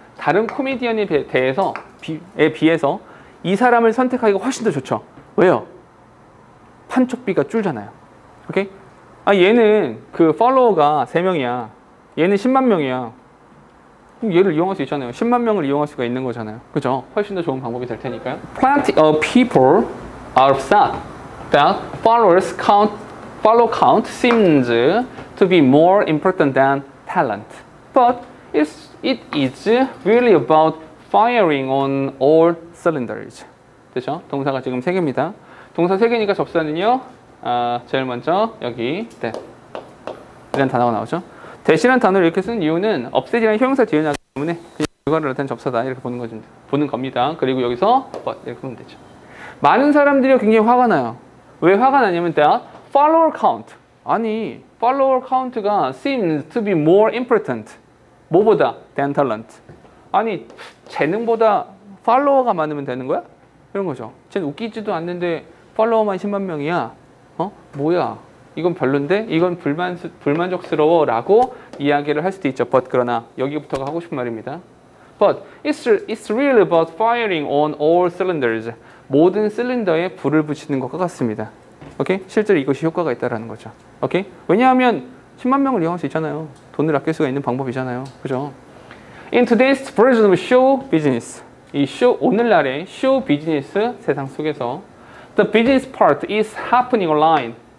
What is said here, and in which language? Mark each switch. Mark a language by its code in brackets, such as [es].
[ko] 다른 코미디언에 대해서 비해서 이 사람을 선택하기가 훨씬 더 좋죠. 왜요? 판촉비가 줄잖아요. 오케이? 아 얘는 그 팔로워가 3명이야. 얘는 10만 명이야. 그럼 얘를 이용할 수 있잖아요. 10만 명을 이용할 수가 있는 거잖아요. 그죠? 훨씬 더 좋은 방법이 될 테니까요. [en] Plenty of people are upset that follow count seems to be more important than talent. But it is really about firing on all cylinders. [ko] 됐죠? 동사가 지금 세 개입니다. 동사 세 개니까 접사는요. 제일 먼저 여기 네. 이런 단어가 나오죠. 대시란 단어를 이렇게 쓴 이유는 없애지란 효용사 뒤에 나기 때문에 결과를 나타낸 접사다 이렇게 보는 거죠. 보는 겁니다. 그리고 여기서 but 이렇게 보면 되죠. 많은 사람들이 굉장히 화가 나요. 왜 화가 나냐면 [en] that follower count [ko] 아니 [en] follower count가 seems to be more important. [ko] 뭐보다? [en] than talent. [ko] 아니, 재능보다 팔로워가 많으면 되는 거야? 이런 거죠. 쟤 웃기지도 않는데 팔로워만 10만 명이야? 어? 뭐야? 이건 별론데? 이건 불만족스러워 라고 이야기를 할 수도 있죠. But 그러나 여기부터가 하고 싶은 말입니다. [en] But it's really about firing on all cylinders. [ko] 모든 실린더에 불을 붙이는 것과 같습니다. 오케이? 실제로 이것이 효과가 있다는 거죠. 오케이? 왜냐하면 10만 명을 이용할 수 있잖아요. 돈을 아낄 수가 있는 방법이잖아요. 그죠? [en] In today's version of show business, [ko] 이 쇼, 오늘날의 쇼 비즈니스 세상 속에서, [en] the business part is happening online.